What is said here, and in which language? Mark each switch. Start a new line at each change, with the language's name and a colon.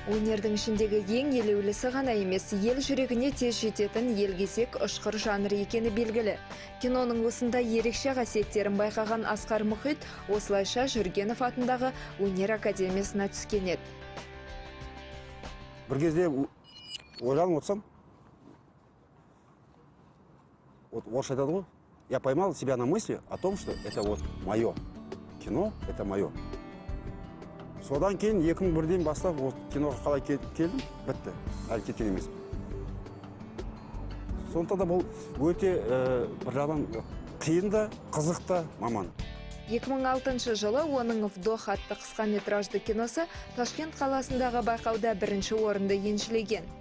Kazakh: Өнердің ішіндегі ең елеулісі ғана емес, ел жүрегіне тез жететін елгесек ұшқыр жанры екені белгілі. Киноның осында ерекше қасиеттерін байқаған Асқар Мұхит осылайша Жүргенов атындағы өнер академиясына түскен еді. Бір кезде ойланып отырсам, орысша айтады ғой,
Russian: я поймал себя на мысли о том, что это вот мое кино, это мое.
Kazakh: Содан кейін 2001-ден бастап киноға қалай келдім, бітті, әлі кеткен емес. Сонда да бұл өте бір жағынан қиын да, қызық та маман. 2006 жылы оның «Вдох» атты қысқа метражды киносы Ташкент қаласындағы байқауда бірінші орынды еншілеген.